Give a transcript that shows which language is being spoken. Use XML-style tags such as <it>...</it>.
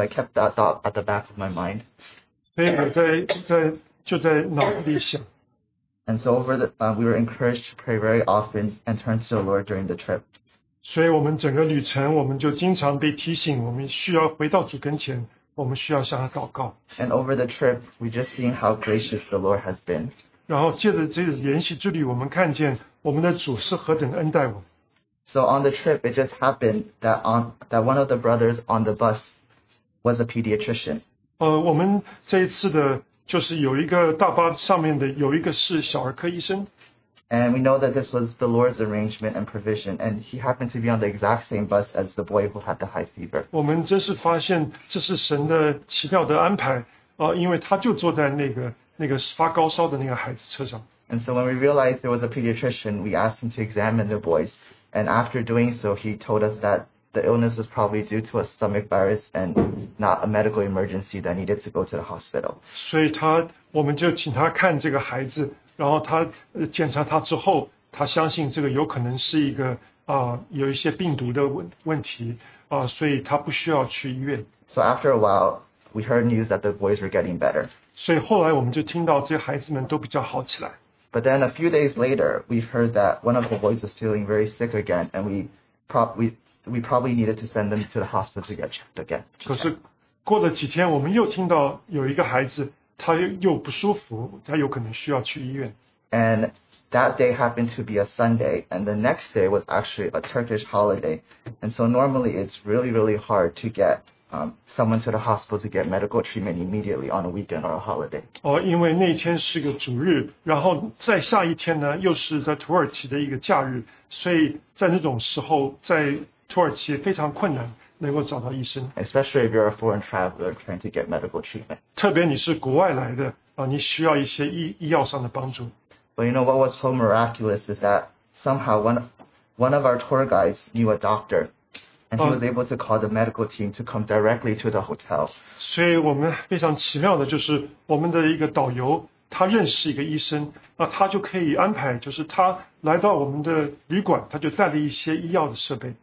<en>I kept that thought at the back of my mind.</en> <zh>所以我就在脑子里想。</zh> <en>And so over the, we were encouraged to pray very often and turn to the Lord during the trip.</en> <zh>所以我们整个旅程,我们就经常被提醒,我们需要回到主跟前,我们需要向他祷告。</zh> <en>And over the trip, we just seen how gracious the Lord has been.</en> <zh>然后借着这个研习之旅,我们看见我们的主是何等恩待我们。</zh> <en>So on the trip, it just happened that one of the brothers on the bus was a pediatrician.</en> <zh>我们这一次的就是有一个大巴上面的有一个是小儿科医生。</zh> <en>And we know that this was the Lord's arrangement and provision, and he happened to be on the exact same bus as the boy who had the high fever.</en> <zh>我们真是发现这是神的奇妙的安排，因为他就坐在那个发高烧的那个孩子车上。</zh> <en>And so when we realized there was a pediatrician, we asked him to examine the boys. And after doing so, he told us that the illness was probably due to a stomach virus and not a medical emergency that needed to go to the hospital.</en> <zh>所以他，我们就请他看这个孩子，然后他检查他之后，他相信这个有可能是一个有一些病毒的问题所以他不需要去医院。</zh> <en>So after a while, we heard news that the boys were getting better.</en> <zh>所以后来我们就听到这些孩子们都比较好起来。</zh> <en>But then a few days later, we heard that one of the boys was feeling very sick again, and we probably needed to send them to the hospital to get checked again.</en> <zh>可是过了几天，我们又听到有一个孩子他又不舒服，他有可能需要去医院。</zh> <en>And that day happened to be a Sunday, and the next day was actually a Turkish holiday. And so normally it's really, really hard to get someone to the hospital to get medical treatment immediately on a weekend or a holiday.</en> <zh>因为那天是个主日，然后在下一天呢，又是在土耳其的一个假日，所以在那种时候，在土耳其非常困难能够找到医生。</zh> <en>Especially if you're a foreign traveler trying to get medical treatment.</en> <zh>特别你是国外来的，你需要一些医药上的帮助。</zh> <en>But you know what was so miraculous is that somehow one of our tour guides knew a doctor. And he was able to call the medical team to come directly to the hotel.</en> <zh>所以我们非常奇妙的就是我们的一个导游他认识一个医生他就可以安排就是他来到我们的旅馆他就带了一些医药的设备。</zh>